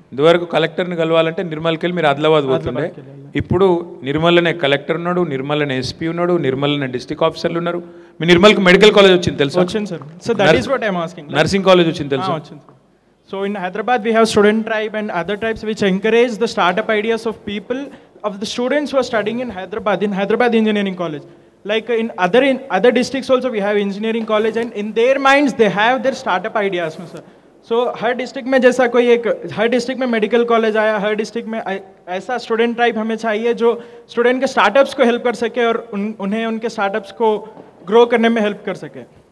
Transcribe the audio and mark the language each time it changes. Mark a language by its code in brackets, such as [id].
[te] ఇదివరకు కలెక్టర్ని కలవాలంటే నిర్మల్కి వెళ్ళి మీరు ఆదిలాబాద్ పోతుండే. ఇప్పుడు నిర్మల్ అనే కలెక్టర్ ఉన్నాడు, నిర్మల్ అనే ఎస్పీ ఉన్నాడు, నిర్మల్ అనే డిస్ట్రిక్ట్ ఆఫీసర్లు ఉన్నారు. మీ నిర్మల్కి మెడికల్ కాలేజ్ వచ్చింది తెలుసు? వచ్చింది sir. [en] So that is what I am asking. [te] Nursing college వచ్చింది తెలుసు? వచ్చింది. [en] So in Hyderabad we have student tribe and other tribes which encourage the startup ideas of people of the students who are studying in Hyderabad engineering college. Like in other districts also we have engineering college, and in their minds they have their startup ideas, no sir. [hi] So हर district में जैसा कोई एक हर district में medical college आया, हर district में ऐसा student tribe हमें चाहिए जो स्टूडेंट के स्टार्टअप्स को हेल्प कर सके और उन्हें उनके स्टार्टअप्स को ग्रो करने में हेल्प कर सके।